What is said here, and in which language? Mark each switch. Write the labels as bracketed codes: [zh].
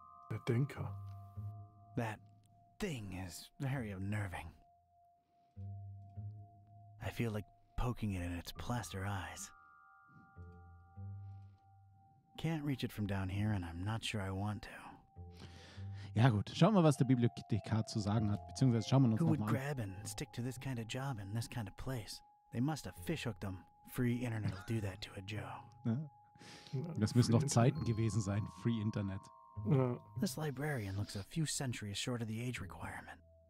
[de] Der Denker. [en] That thing is very unnerving. I feel like poking it in its plaster eyes. Can't reach it from down here, and I'm not sure I want to. [de] Ja gut, schauen wir, was der Bibliothekar zu sagen hat, beziehungsweise schauen wir uns nochmal an. [en] Who would grab and stick to this kind of job in this kind of place? They must have fishhooked them. Free Internet will do that to a Joe. [de] Ja. Das müssen doch Zeiten gewesen sein, Free Internet. Ja. [en] This librarian looks a few centuries short of the age requirement.